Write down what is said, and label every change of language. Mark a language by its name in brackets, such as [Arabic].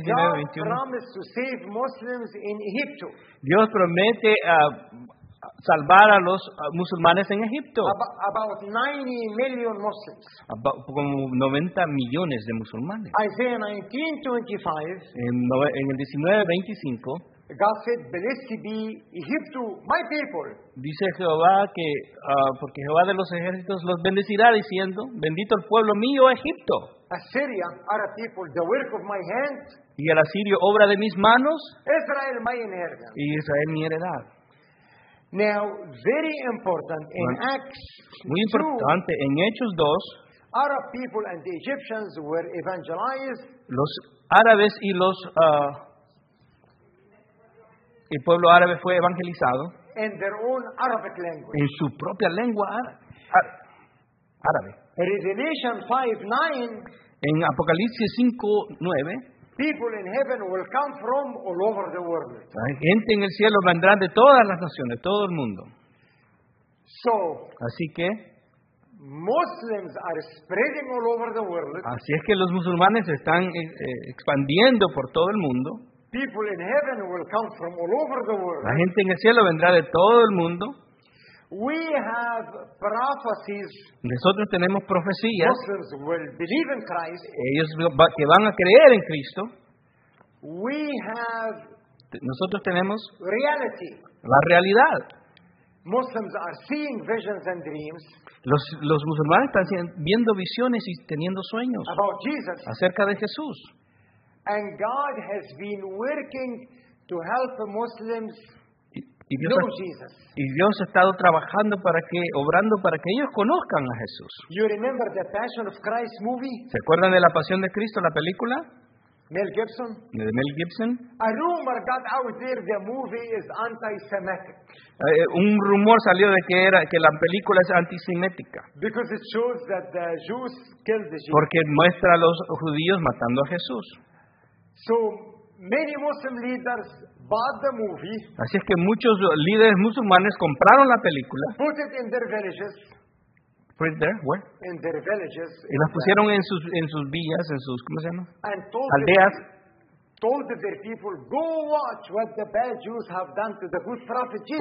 [English] God promised to save Muslims in Egypt. [Spanish] Dios promete a salvar a los musulmanes en Egipto. [English] About 90 million Muslims. [Spanish] Como 90 millones de musulmanes. [English] Isaiah 19:25. [Spanish] En el 19:25. [English] God said, "Blessed be Egypt, my people." [Spanish] Dice Jehová que porque Jehová de los ejércitos los bendecirá diciendo, "Bendito el pueblo mío, Egipto." [English] Assyria, our people, the work of my hand. [Spanish] Y el asirio, obra de mis manos. [English] Israel, my inheritance. [Spanish] Y Israel, mi heredad. [English] Now, very important in Acts 2. [Spanish] Muy importante en Hechos 2. [English] Arab people and the Egyptians were evangelized. [Spanish] Los árabes y los el pueblo árabe fue evangelizado. [English] In their own Arabic language. [Spanish] En su propia lengua árabe. [English] Revelation 5:9. [Spanish] En Apocalipsis 5:9. [English] People in heaven will come from all over the world. [Spanish] La gente en el cielo vendrá de todas las naciones, todo el mundo. [English] So, [Spanish] así que [English] Muslims are spreading all over the world. [Spanish] Así es que los musulmanes están expandiendo por todo el mundo. [English] People in heaven will come from all over the world. [Spanish] La gente en el cielo vendrá de todo el mundo. [English] We have prophecies. [Spanish] Nosotros tenemos profecías. [English] Muslims will believe in Christ. [Spanish] Ellos que van a creer en Cristo. [English] We have. [Spanish] Nosotros tenemos [English] reality. [Spanish] La realidad. [English] Muslims are seeing visions and dreams. [Spanish] Los musulmanes están viendo visiones y teniendo sueños. [English] About Jesus. [Spanish] Acerca de Jesús. [English] And God has been working to help Muslims. [Spanish] Y Dios, y Dios ha estado trabajando para que, obrando para que ellos conozcan a Jesús. [English] You remember the Passion of Christ movie? [Spanish] ¿Se acuerdan de La Pasión de Cristo, la película? [English] Mel Gibson. [Spanish] De Mel Gibson. [English] A rumor got out there the movie is anti-Semitic. [Spanish] Un rumor salió de que era que la película es antisemítica. [English] Because it shows that the Jews killed the Jews. [Spanish] Porque muestra a los judíos matando a Jesús. [English] So many Muslim leaders bought the movie. [Spanish] Así es que muchos líderes musulmanes compraron la película. [English] Put it in their villages. Put it there, where? In their villages. [Spanish] Y las pusieron en sus villas, en sus, ¿cómo se llama? Aldeas. [English] Told their people, go watch what the bad Jews have done to the good prophet Jesus.